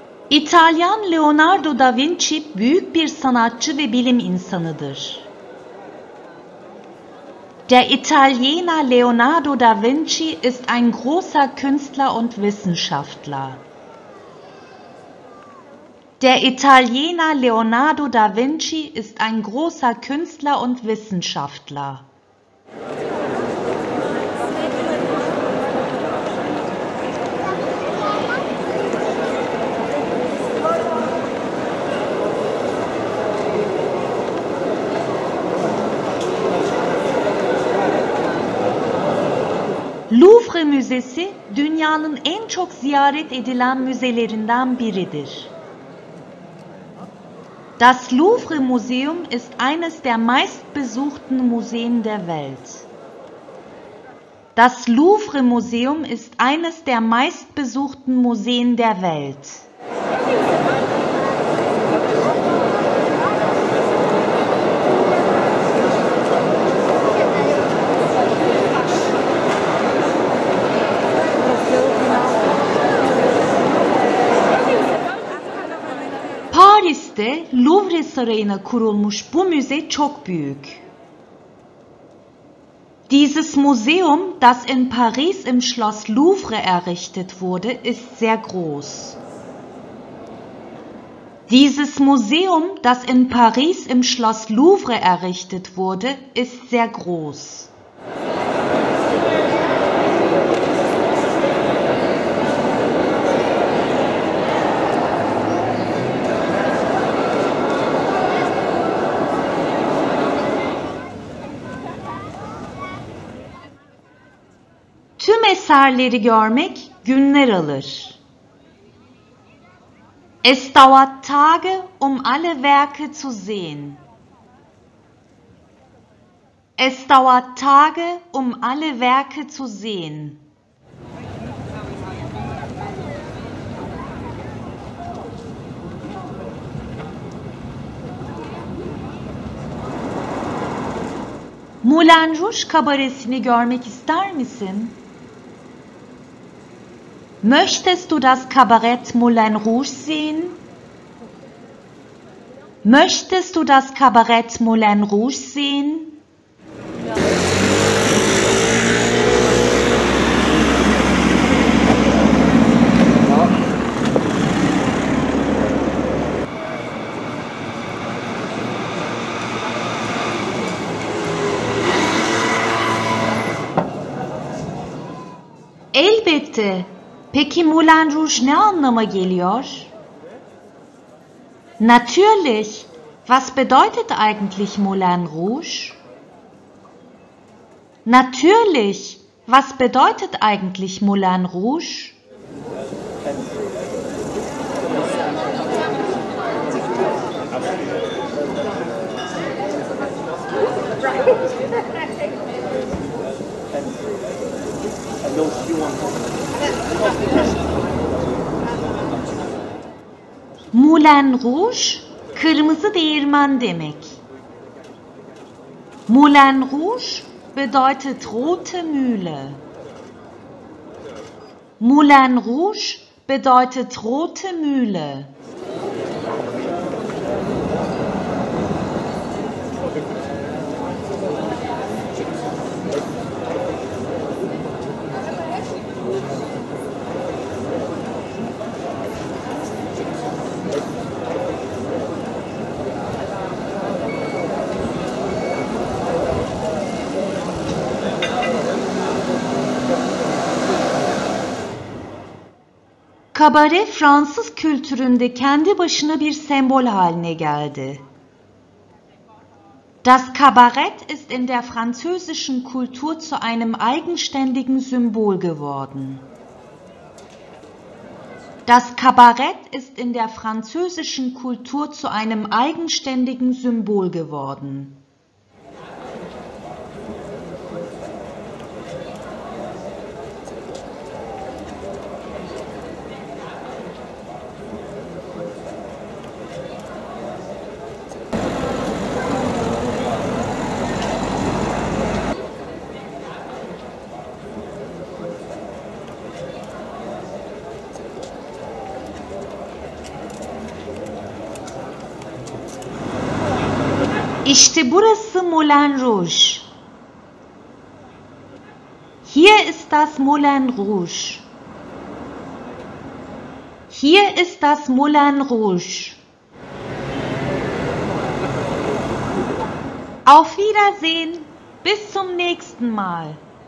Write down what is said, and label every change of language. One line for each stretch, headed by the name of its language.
Turkish: İtalyan Leonardo da Vinci büyük bir sanatçı ve bilim insanıdır.
German: Der Italiener Leonardo da Vinci ist ein großer Künstler und Wissenschaftler. Der Italiener Leonardo da Vinci ist ein großer Künstler und Wissenschaftler.
Turkish: Louvre Müzesi dünyanın en çok ziyaret edilen müzelerinden biridir.
German: Das Louvre Museum ist eines der meistbesuchten Museen der Welt. Das Louvre Museum ist eines der meistbesuchten Museen der Welt.
Turkish: Paris'te Louvre Sarayı'na kurulmuş bu müze çok büyük.
German: Dieses Museum, das in Paris im Schloss Louvre errichtet wurde, ist sehr groß. Dieses Museum, das in Paris im Schloss Louvre errichtet wurde, ist sehr groß.
Turkish: Eserleri görmek günler alır.
German: Es dauert Tage, alle Werke zu sehen. Es dauert Tage, alle Werke zu sehen.
Turkish: Moulin Rouge kabaresini görmek ister misin?
German: Möchtest du das Kabarett Moulin Rouge sehen? Möchtest du das Kabarett Moulin Rouge sehen?
Turkish: Elbette. Peki Moulin Rouge ne anlama geliyor?
German: Natürlich. Was bedeutet eigentlich Moulin Rouge? Natürlich. Was bedeutet eigentlich Moulin Rouge?
Turkish: Moulin Rouge, kırmızı değirmen demek.
German: Moulin Rouge bedeutet rote Mühle. Moulin Rouge bedeutet rote Mühle.
Turkish: Kabare Fransız kültüründe kendi başına bir sembol haline geldi.
German: Das Kabarett ist in der französischen Kultur zu einem eigenständigen Symbol geworden. Das Kabarett ist in der französischen Kultur zu einem eigenständigen Symbol geworden.
Turkish: İşte burası Moulin Rouge.
German: Hier ist das Moulin Rouge. Hier ist das Moulin Rouge. Auf Wiedersehen. Bis zum nächsten Mal.